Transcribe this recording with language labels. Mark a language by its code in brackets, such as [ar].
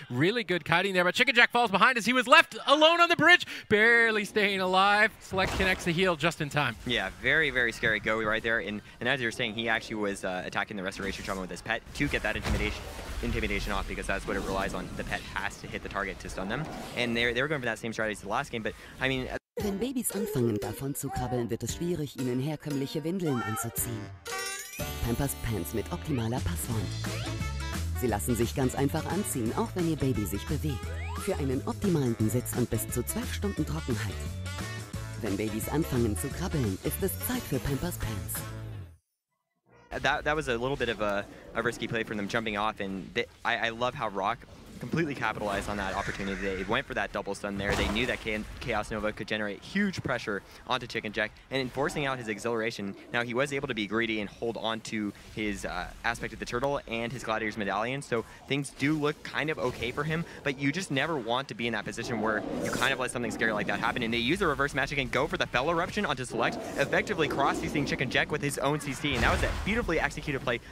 [en] Really good kiting there, but Chicken Jack falls behind as he was left alone on the bridge, barely staying alive. Select connects the heal just in time. Yeah, very, very scary go right there. And as you're saying, he actually was attacking the Restoration Shaman with his pet to get that intimidation off, because that's what it relies on. The pet has to hit the target to stun them. And they were going for that same strategy as the last game, but I mean... [de] Wenn Babys anfangen davon zu krabbeln, wird es schwierig, ihnen herkömmliche Windeln anzuziehen. Pampers Pants mit optimaler Passform. Sie lassen sich ganz einfach anziehen, auch wenn ihr Baby sich bewegt. Für einen optimalen Sitz und bis zu 12 Stunden Trockenheit. Wenn Babys anfangen zu krabbeln, ist es Zeit für Pampers Pants. [en] That was a little bit of a risky play from them jumping off, and I love how ROC completely capitalized on that opportunity. They went for that double stun there. They knew that Chaos Nova could generate huge pressure onto Chicken Jack, and in forcing out his exhilaration, now he was able to be greedy and hold on to his aspect of the turtle and his Gladiator's Medallion, so things do look kind of okay for him, but you just never want to be in that position where you kind of let something scary like that happen, and they use a reverse magic and go for the Fell Eruption onto Select, effectively cross-CCing Chicken Jack with his own CC, and that was a beautifully executed play.